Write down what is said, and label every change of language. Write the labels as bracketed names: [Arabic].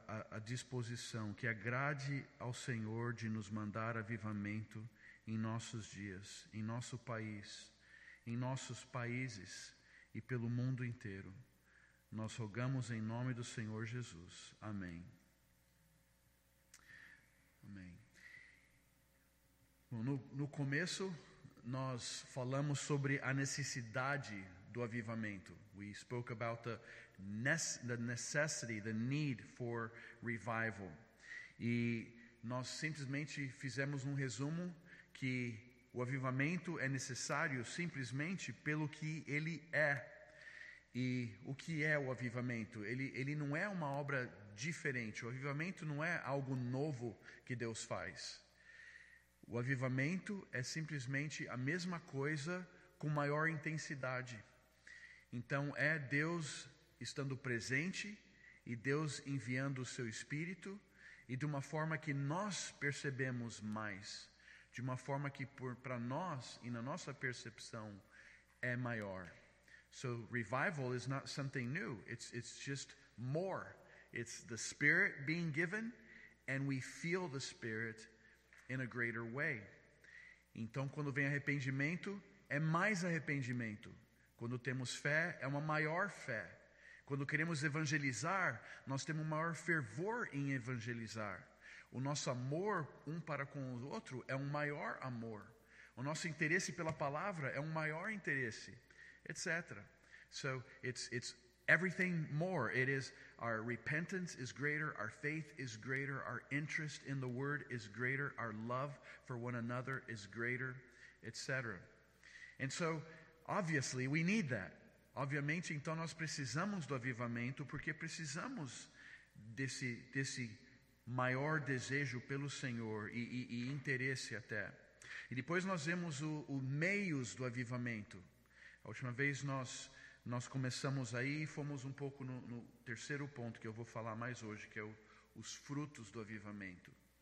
[Portuguese] a disposição que agrade ao Senhor de nos mandar avivamento em nossos dias, em nosso país, em nossos países e pelo mundo inteiro. Nós rogamos em nome do Senhor Jesus. Amém. Amém. Bom, no começo, nós falamos sobre a necessidade do avivamento. [English] We spoke about the necessity, the need for revival. [Portuguese] E nós simplesmente fizemos um resumo que o avivamento é necessário simplesmente pelo que ele é. E o que é o avivamento? Ele não é uma obra diferente. O avivamento não é algo novo que Deus faz. O avivamento é simplesmente a mesma coisa com maior intensidade. Então é Deus estando presente e Deus enviando o seu Espírito, e de uma forma que nós percebemos mais, de uma forma que para nós e na nossa percepção é maior. [English] So revival is not something new, it's just more. It's the Spirit being given and we feel the Spirit in a greater way. [Portuguese] Então quando vem arrependimento, é mais arrependimento. Quando temos fé, é uma maior fé. Quando queremos evangelizar, nós temos um maior fervor em evangelizar. O nosso amor um para com o outro é um maior amor. O nosso interesse pela palavra é um maior interesse, etc. [English] So it's everything more. It is our repentance is greater, our faith is greater, our interest in the word is greater, our love for one another is greater, etc. And so obviously, we need that. [Portuguese] Obviamente, então, nós precisamos do avivamento porque precisamos desse maior desejo pelo Senhor e interesse até. E depois nós vemos o meios do avivamento. A última vez nós começamos aí e fomos um pouco no terceiro ponto que eu vou falar mais hoje, que é os frutos do avivamento.